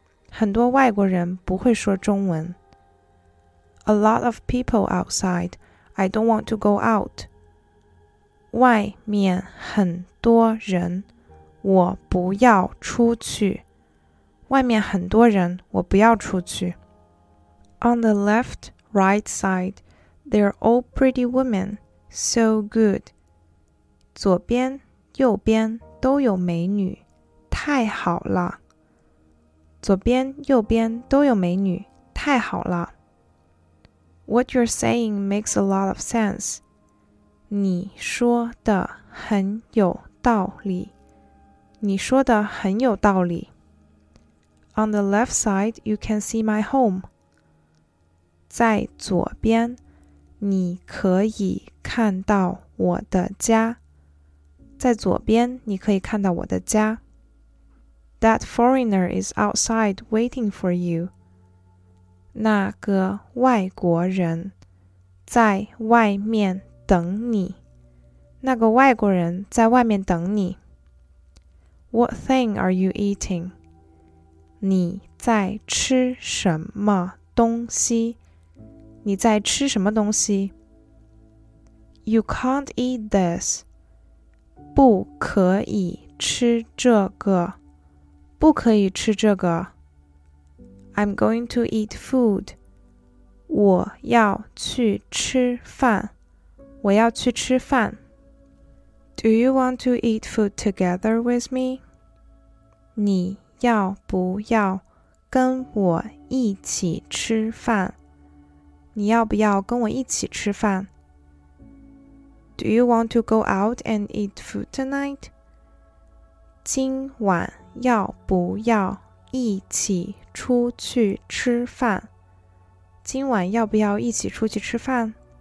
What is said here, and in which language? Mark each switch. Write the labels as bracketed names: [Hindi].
[Chinese] 很多外国人不会说中文。 [English] A lot of people outside. I don't want to go out. [Chinese] 外面很多人，我不要出去。外面很多人，我不要出去。 [English] On the left, right side, they're all pretty women. So good. [Chinese] 左边、右边都有美女，太好了。左边、右边都有美女，太好了。 [English] What you're saying makes a lot of sense. [Chinese] 你说的很有道理。你说的很有道理。 [English] On the left side, you can see my home. [Chinese] 在左边，你可以看到我的家。在左边，你可以看到我的家。 [English] That foreigner is outside waiting for you. [Chinese] 那个外国人在外面等你。那个外国人在外面等你。 [English] What thing are you eating? [Chinese] 你在吃什么东西？你在吃什么东西？ [English] You can't eat this. [Chinese] 不可以吃这个，不可以吃这个。 [English] I'm going to eat food. [Chinese] 我要去吃饭，我要去吃饭。 [English] Do you want to eat food together with me? [Chinese] 你要不要跟我一起吃饭？你要不要跟我一起吃饭？ [English] Do you want to go out and eat food tonight? [Chinese] 今晚要不要一起出去吃饭？今晚要不要一起出去吃饭？